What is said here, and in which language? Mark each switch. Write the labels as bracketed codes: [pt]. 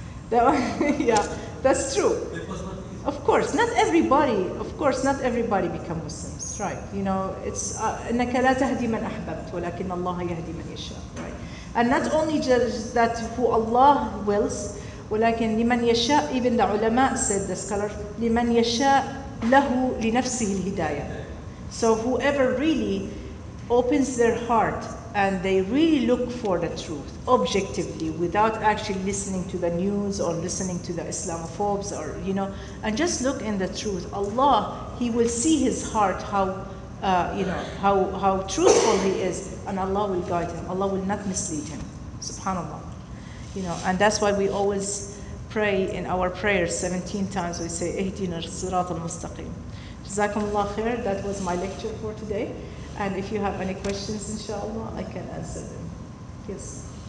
[en] That yeah, that's true. Of course, not everybody. Of course, not everybody become Muslims, right? You know, it's [ar] إنك لا تهدي من أحببت ولكن الله يهدي من يشاء, [en] right? And not only just that, who Allah wills, [ar] ولكن لمن يشاء. [en] Even the ulama said, the scholar, [ar] لمن يشاء له لنفسه الهداية. [en] So whoever really opens their heart and they really look for the truth objectively without actually listening to the news or listening to the Islamophobes or, you know, and just look in the truth, Allah, He will see his heart, how, you know, how truthful he is, and Allah will guide him. Allah will not mislead him. SubhanAllah. You know, and that's why we always pray in our prayers 17 times. We say, [ar] اهدنا الصراط المستقيم. جزاكم الله خير. [en] That was my lecture for today. And if you have any questions, inshallah, I can answer them. Yes.